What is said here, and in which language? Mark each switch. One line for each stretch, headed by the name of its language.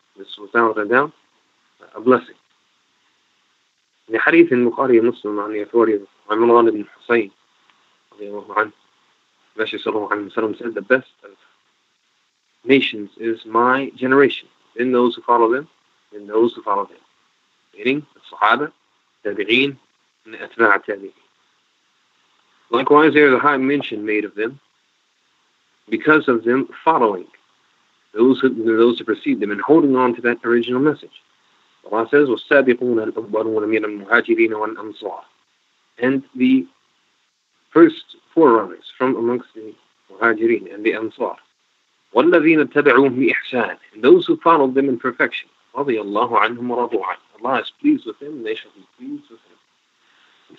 English: This was, without a doubt, a blessing. In the hadith in Bukhari Muslim, on the authority of Imran ibn Husayn, radiallahu anhu, Nabi sallallahu alayhi wa sallam said, the best of nations is my generation, then those who follow them, then those who follow them. Meaning, the Sahaba, Tabi'in, and the Atba' Tabi'in. Likewise, there is a high mention made of them because of them following those who precede them and holding on to that original message. Allah says,
Arabic: وَالسَّابِقُونَ الْأَبْرُونَ مِنَ الْمُحَاجِرِينَ وَالْأَنصَارِ.
English: And the first forerunners from amongst the Muhajirin and the Ansar.
Arabic: وَالَّذِينَ اتَّبَعُوهُمْ بِإِحْسَانِ.
English: And those who followed them in perfection.
Arabic: رَضِيَ اللَّهُ عَنْهُمْ وَرَضُوا عَنْهُ.
English: Allah is pleased with them, and they shall be pleased with him.